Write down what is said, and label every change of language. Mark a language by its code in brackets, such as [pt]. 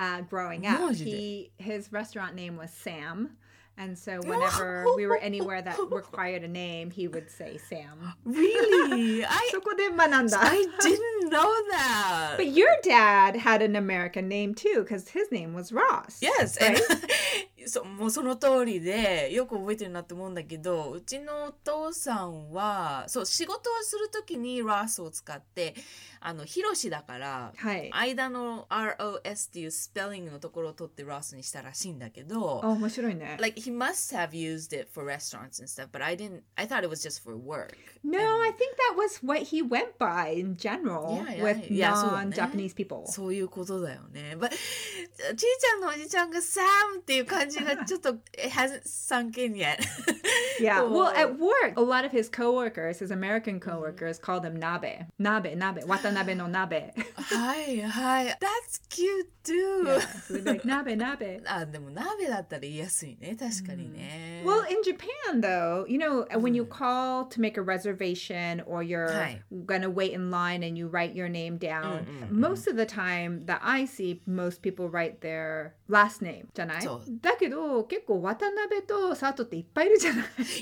[en] Growing up, his restaurant name was Sam. And so whenever we were anywhere that required a name, he would say Sam. Really? [ja] そこで学んだ。 [en] I didn't know that. But your dad had an American name too, because his name was Ross. Yes. Right? [ja] もうその通りで、よく覚えてるなって思うんだけど、うちのお父さんは、そう、仕事をするときに Ross を使って、あの、ヒロシだから、はい、間の R-O-S っていうスペリングのところを取って Ross にしたらしいんだけど、あ、面白いね。 [en] Like,He must have used it for restaurants and stuff, but I didn't. I thought it was just for work. No, and, I think that was what he went by in general with non-Japanese people. [ja] そういうことだよね。But ちーちゃんのおじちゃんがサムっていう感じがちょっと [en] it hasn't sunk in yet. yeah. Well, at work, a lot of his coworkers, his American coworkers, call them Nabe. Nabe. Watanabe no Nabe. Hi. That's cute too. Nabe. [ja] Ah, でも Nabe だったら言いやすいね。確かにね。 [en] Well, in Japan, though, you know, when you call to make a reservation or you're going to wait in line and you write your name down, most of the time that I see, most people write their last name, じゃない? [ja] そう。だけど、結構渡辺と佐藤っていっぱいいるじゃない?